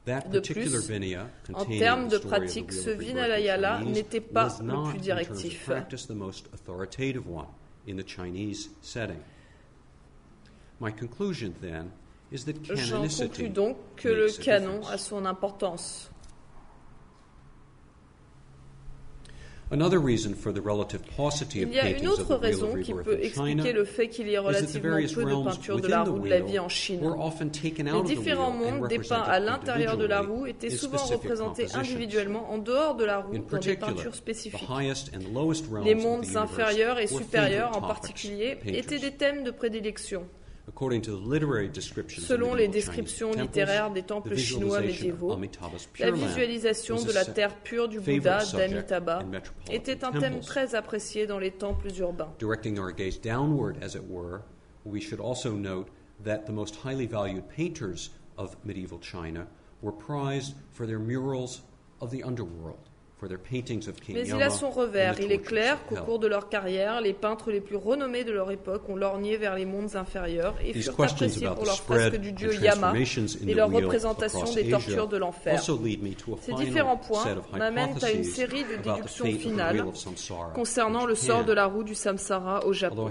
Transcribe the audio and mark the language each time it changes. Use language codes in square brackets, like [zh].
[fr] De plus, en termes de pratique, ce Vinalayala n'était pas le plus directif. J'en conclus donc que le canon a son importance. [en] Another reason for the relative paucity of paintings of the Wheel of Rebirth in China. [fr] Il y a une autre raison qui peut expliquer le fait qu'il y ait relativement peu de peintures de la roue de la vie en Chine. Les différents mondes dépeints à l'intérieur de la roue étaient souvent représentés individuellement en dehors de la roue dans des peintures spécifiques. Les mondes inférieurs et supérieurs, en particulier, étaient des thèmes de prédilection. [en] According to the literary descriptions [fr] selon les descriptions littéraires des temples chinois médiévaux, la visualisation de la terre pure du Bouddha d'Amitabha était un thème très apprécié dans les temples urbains. [en] Directing our gaze downward, as it were, we should also note that the most highly valued painters of medieval China were prized for their murals of the underworld. [fr] Mais il a son revers. Il est clair qu'au cours de leur carrière, les peintres les plus renommés de leur époque ont lorgné vers les mondes inférieurs et furent appréciés pour leurs fresques du dieu Yama et leur représentation des tortures de l'enfer. Ces différents points m'amènent à une série de déductions finales concernant le sort de la roue du samsara au Japon.